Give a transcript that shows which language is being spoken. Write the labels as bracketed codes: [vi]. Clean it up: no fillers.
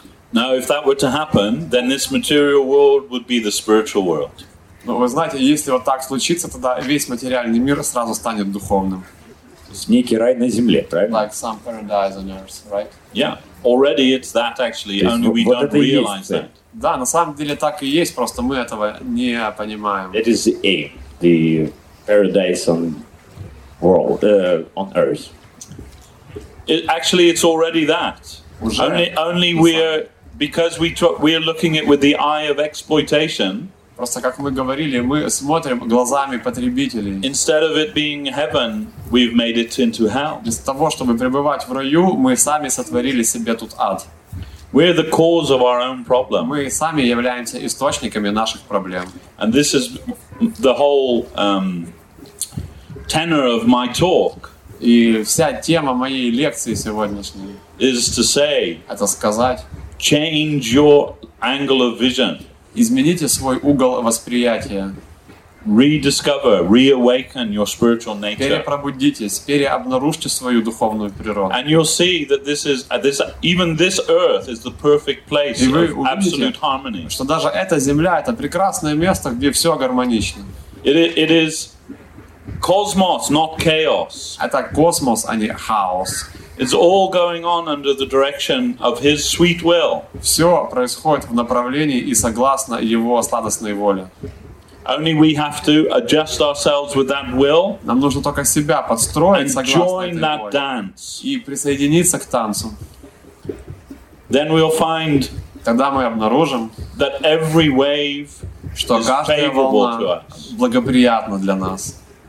[en] Now, if that were to happen, then this material world would be the spiritual world. [ru] Но вы знаете, если вот так случится, тогда весь материальный мир сразу станет духовным. То есть некий рай на земле, правильно? [en] Like some paradise on earth, right? Yeah. Already it's that actually, то only we [ru] вот [en] don't realize that. [ru] Да, на самом деле так и есть, просто мы этого не понимаем. [en] It is the aim, the paradise on world, on earth. It, actually it's already that. [ru] Уже [en] only we're, because we're looking at with the eye of exploitation. [ru] Просто, как мы говорили, мы смотрим глазами потребителей. [en] Instead of it being heaven, we've made it into hell. [ru] Вместо того, чтобы пребывать в раю, мы сами сотворили себе тут ад. [en] We're the cause of our own problem. [ru] Мы сами являемся источниками наших проблем. [en] And this is the whole tenor of my talk. [ru] И вся тема моей лекции сегодняшней. [en] Is to say. [ru] Это сказать. [en] Change your angle of vision. [ru] Измените свой угол восприятия. [en] Rediscover, reawaken your spiritual nature. [ru] Перепробудитесь, переобнаружьте свою духовную природу. [en] And you'll see that this is this even this earth is the perfect place of absolute harmony. [ru] Что даже эта земля это прекрасное место, где все гармонично. [en] It is cosmos, not chaos. [ru] Это космос, а не хаос. [en] It's all going on under the direction of His sweet will. [ru] Все происходит в направлении и согласно Его сладостной воле. [en] Only we have to adjust ourselves with that will. [ru] Нам нужно только себя подстроить согласно этой воле. [en] And join that dance. [ru] И присоединиться к танцу. [en] Then we'll find. [ru] Тогда мы обнаружим, [en] that every wave, [ru] что каждая волна благоприятна для нас.